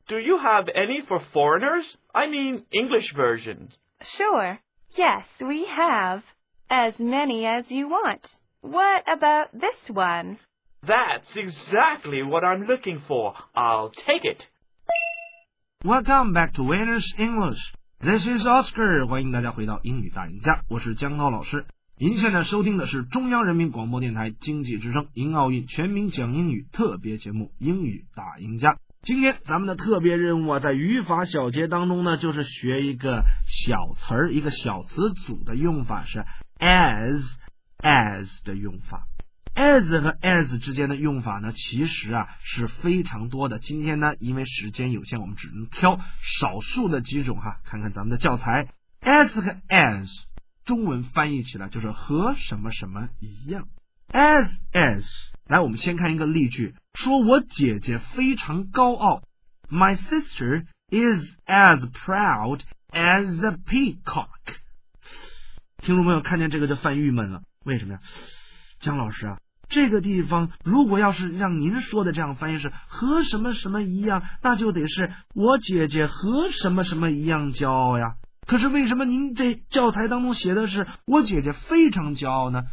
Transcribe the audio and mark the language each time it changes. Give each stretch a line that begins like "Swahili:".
English: Do you have any for foreigners? I mean, English versions. Sure. Yes, we have as many as you want. What about this one? That's exactly what I'm looking for. I'll take it. Welcome back to Winners English. This is Oscar.
Chinese: 欢迎大家回到英语大赢家，我是江涛老师。您现在收听的是中央人民广播电台经济之声英奥运全民讲英语特别节目《英语大赢家》。今天咱们的特别任务啊，在语法小节当中呢，就是学一个小词儿，一个小词组的用法是 as 的用法。 as 和 as 之间的用法呢，其实啊是非常多的。今天呢，因为时间有限，我们只能挑少数的几种哈，看看咱们的教材。 as 和 as 中文翻译起来就是和什么什么一样。 as 来，我们先看一个例句，说我姐姐非常高傲。
English: My sister is as proud as a peacock.
Chinese: 听众朋友看见这个就犯郁闷了，为什么呀？姜老师啊，这个地方如果要是让您说的这样翻译是和什么什么一样，那就得是我姐姐和什么什么一样骄傲呀。可是为什么您这教材当中写的是我姐姐非常骄傲呢？